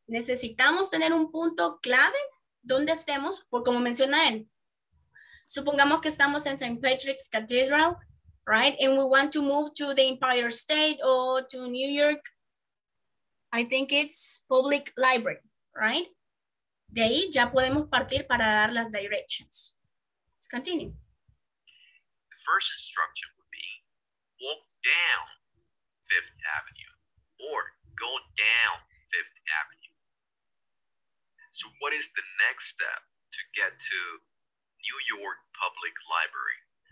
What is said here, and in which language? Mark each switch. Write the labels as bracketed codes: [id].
[es] Necesitamos tener un punto clave donde estemos, por como menciona él. [en] Supongamos que estamos en St. Patrick's Cathedral, right? And we want to move to the Empire State or to New York. I think it's Public Library, right? [es] De ahí ya podemos partir para dar las directions. [en] Let's continue. The first instruction would be walk down Fifth Avenue or go down Fifth Avenue. So what is the next step to get to New York Public Library?